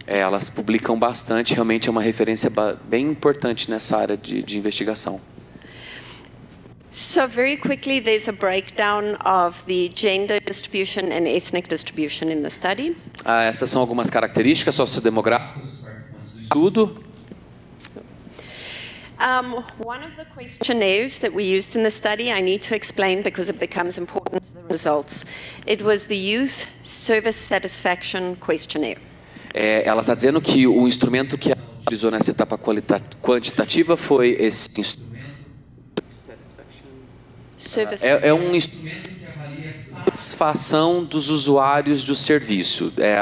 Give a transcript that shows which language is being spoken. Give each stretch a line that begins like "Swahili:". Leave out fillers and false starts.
Portuguese: Elas publicam bastante, realmente é uma referência bem importante nessa área de investigação.
English: So very quickly there's a breakdown of the gender distribution and ethnic distribution in the study.
Portuguese: Essas são algumas características sociodemográficas do estudo.
English: One of the questionnaires that we used in the study, I need to explain because it becomes important to the results. It was the Youth Service Satisfaction Questionnaire.
Portuguese: Ela está dizendo que o instrumento que ela utilizou nessa etapa quantitativa foi esse instrumento. É um instrumento que avalia a satisfação dos usuários do serviço.